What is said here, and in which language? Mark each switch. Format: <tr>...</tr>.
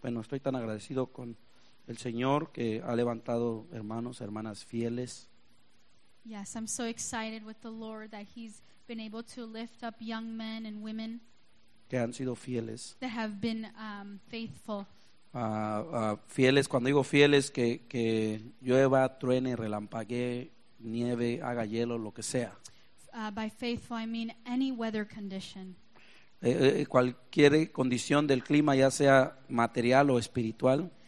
<es>Bueno, estoy tan agradecido con el Señor que ha levantado hermanos, hermanas fieles.</es> <en>Yes, I'm so excited with the Lord that he's been able to lift up young men and women</en> <es>que han sido fieles.</es> <en>That have been faithful.</en> <es>Fieles, cuando digo fieles, que llueva, truene, relampaguee, nieve, haga hielo, lo que sea.</es> <en>By faithful, I mean any weather condition.</en> <es>Cualquier condición del clima, ya sea material o espiritual,</es>